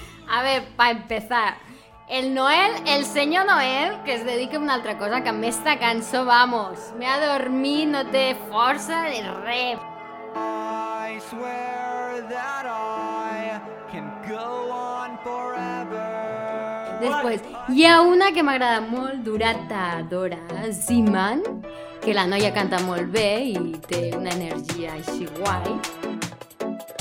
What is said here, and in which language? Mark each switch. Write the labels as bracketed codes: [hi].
[es] A ver, pa empezar, [ca] el Noel, el senyor Noel, que es dedica a una altra cosa, que amb esta cançó, vamos, me ha dormit, no té força de res. [en] I swear that I can go on forever. [ca] Després, hi ha una que m'agrada molt, Durata Dora Ziman, que la noia canta molt bé i té una energia així guai.